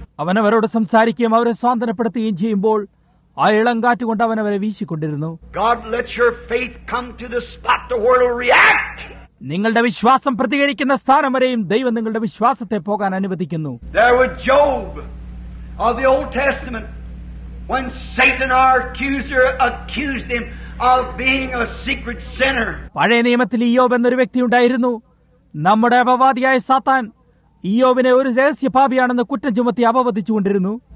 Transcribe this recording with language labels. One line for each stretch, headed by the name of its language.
Malayalam: അവനവരോട് സംസാരിക്കുകയും അവരെ സ്വാന്തനപ്പെടുത്തുകയും ചെയ്യുമ്പോൾ ആ ഇളം കാറ്റുകൊണ്ട് അവനവരെ വീശിക്കൊണ്ടിരുന്നു.
English: God let your faith come to the spot the world will react.
Malayalam: നിങ്ങളുടെ വിശ്വാസം പ്രതികരിക്കുന്ന സ്ഥാനം വരെയും ദൈവം നിങ്ങളുടെ വിശ്വാസത്തെ പോകാൻ അനുവദിക്കുന്നു.
English: There was Job of the Old Testament when Satan our accuser accused him of being a secret sinner.
Malayalam: പഴയ നിയമത്തിൽ ഇയ്യോബ് എന്നൊരു വ്യക്തി ഉണ്ടായിരുന്നു. നമ്മുടെ അപവാദിയായ സാത്താൻ ഇയ്യോബിനെ ഒരു രഹസ്യ പാപിയാണെന്ന് കുറ്റം ചുമത്തി അപവദിച്ചുകൊണ്ടിരുന്നു.